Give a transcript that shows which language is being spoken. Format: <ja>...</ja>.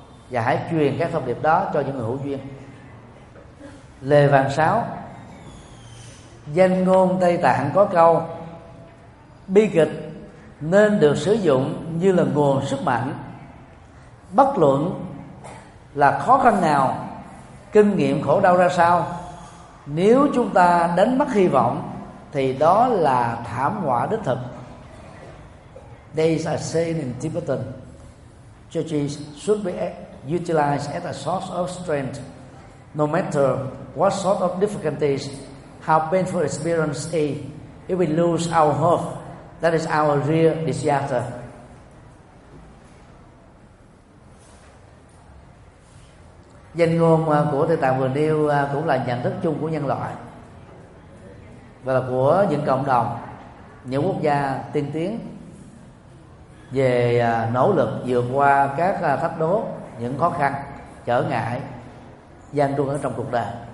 <vi>Và hãy truyền các thông điệp đó cho những người hữu duyên. Lê Vàng Sáu, danh ngôn Tây Tạng có câu: bi kịch nên được sử dụng như là nguồn sức mạnh. Bất luận là khó khăn nào, kinh nghiệm khổ đau ra sao, nếu chúng ta đánh mất hy vọng thì đó là thảm họa đích thực.</vi> <en>They are saying in Tibetan, churches should be utilized as a source of strength, no matter what sort of difficulties, how painful experience is. If we lose our hope, that is our real disaster.</en> <vi>Danh ngôn của Tây Tạng vừa nêu cũng là nhận thức chung của nhân loại và là của những cộng đồng, những quốc gia tiên tiến về nỗ lực vượt qua các thách đố, những khó khăn, trở ngại gian truân ở trong cuộc đời.</vi>